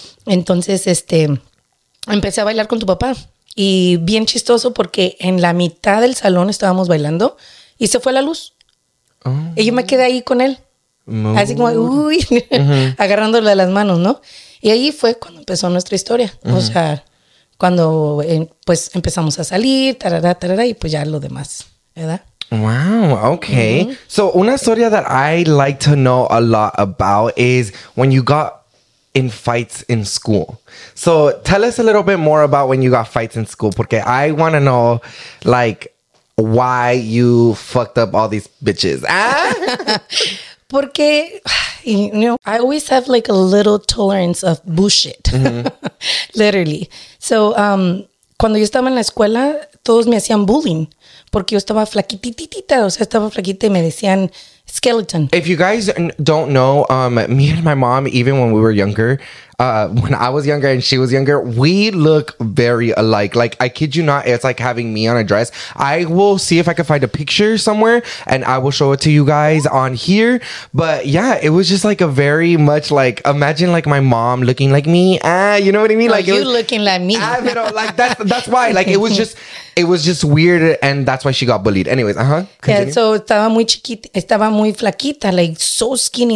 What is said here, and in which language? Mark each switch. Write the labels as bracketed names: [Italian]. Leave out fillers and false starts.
[Spanish] Entonces, empecé a bailar con tu papá. Y bien chistoso porque en la mitad del salón estábamos bailando y se fue la luz. Uh-huh. Y yo me quedé ahí con él. Uh-huh. Así como, uy, agarrándole las manos, ¿no? Y ahí fue cuando empezó nuestra historia. Uh-huh. O sea, cuando pues empezamos a salir, tarara, tarara, y pues ya lo demás, ¿verdad? [English] Wow, okay. Mm-hmm. So, [Spanish] una historia [English] that I like to know a lot about is when you got in fights in school. So, tell us a little bit more about when you got fights in school, [Spanish] porque [English] I want to know, like, why you fucked up all these bitches. Ah? [Spanish] Porque, [English] you know, I always have, like, a little tolerance of bullshit. Mm-hmm. Literally. [Spanish] So, cuando yo estaba en la escuela, todos me hacían bullying. Porque yo estaba flaquitita, o sea, estaba flaquita y me decían skeleton. [English] If you guys don't know, me and my mom, even when we were younger, when I was younger and she was younger, we look very alike. Like, I kid you not, it's like having me on a dress. I will see if I can find a picture somewhere and I will show it to you guys on here. But yeah, it was just like a very much like, imagine like my mom looking like me. You know what I mean? Like, you looking like me. Like, that's why. Like, it was just weird and that's why she got bullied. Anyways, continue. [Spanish] Yeah, so estaba muy chiquita, estaba muy flaquita, [English] like so skinny.